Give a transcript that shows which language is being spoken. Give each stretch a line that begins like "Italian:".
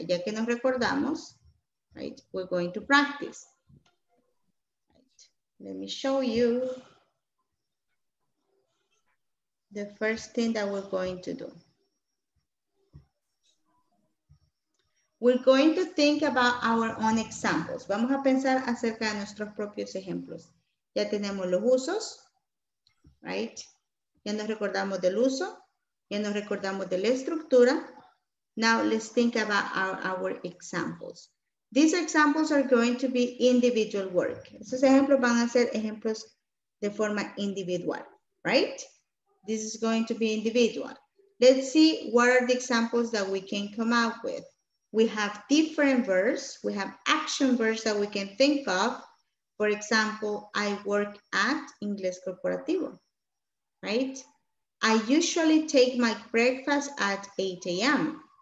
English: Ya que nos recordamos, right, we're going to practice. Right. Let me show you the first thing that we're going to do. We're going to think about our own examples.
Spanish: Vamos a pensar acerca de nuestros propios ejemplos. Ya tenemos los usos, right? Ya nos recordamos del uso. Ya nos recordamos de la estructura. Now let's think about our examples.
English: These examples are going to be individual work.
Spanish: Estos ejemplos van a ser ejemplos de forma individual, right?
English: This is going to be individual. Let's see what are the examples that we can come up with. We have different verbs. We have action verbs that we can think of. For example, I work at Inglés Corporativo, right? I usually take my breakfast at 8 a.m.